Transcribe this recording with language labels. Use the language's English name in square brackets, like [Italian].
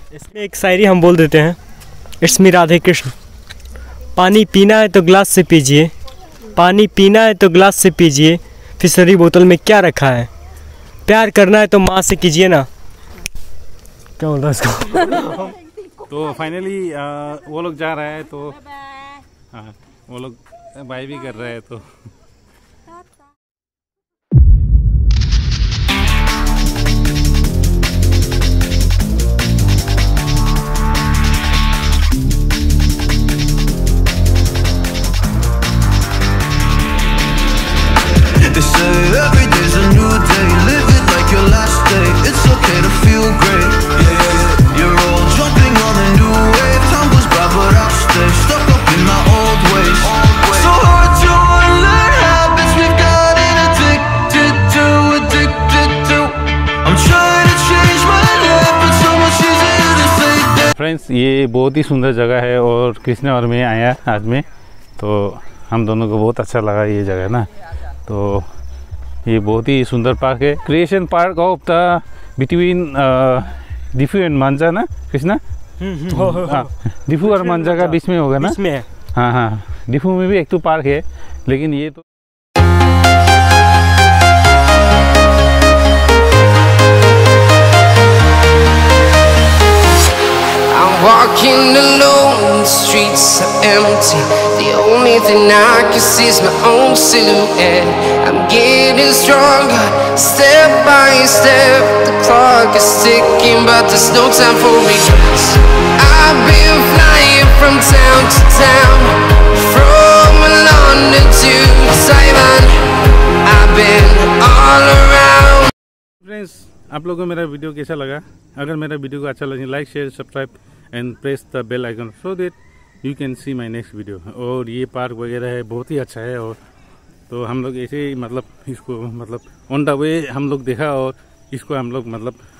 [Hindi] इसमें एक शायरी हम बोल देते हैं इसमें राधे कृष्ण पानी पीना है तो ग्लास से पीजिए पानी पीना है तो ग्लास से पीजिए फिसरी बोतल में क्या रखा है प्यार करना है तो माँ से कीजिए ना क्या बोल रहा है इसको तो फाइनली वो लोग जा रहा है तो वो लोग बाय भी कर रहे हैं तो [English] every day's a new day, live it like your last day, it's okay to feel great, yeah, yeah, yeah. You're all jumping on a new wave, time goes by but I stay stuck up in my old ways. So hard to unlearn habits we've gotten addicted to. I'm trying to change my life but so much easier to say that. [Hindi] Friends, ये बहुत ही सुंदर जगह है और कृष्ण और मैं आया आज में तो हम दोनों को बहुत अच्छा लगा ये जगह ना तो ये बहुत ही सुंदर पार्क है creation park of the between Diphu and मांझा ना कृष्णा दिफू और मांझा का बीच में होगा ना इसमें हाँ हाँ दिफू में भी एक तो पार्क है लेकिन ये तो [English] Walking alone, the streets are empty. The only thing I can see is my own silhouette. I'm getting stronger, step by step. The clock is ticking, but there's no time for me. I've been flying from town to town, from London to Taiwan. I've been all around. [Hindi] Friends, आप लोगों को मेरा video कैसा लगा? अगर मेरा video को अच्छा लगे, like, share, subscribe [English] and press the bell icon so that you can see my next video [Hindi] और ये पार्क वगैरह है बहुत ही अच्छा है और तो हम लोग ऐसे ही मतलब इसको मतलब ऑन द वे हम लोग देखा और इसको हम लोग मतलब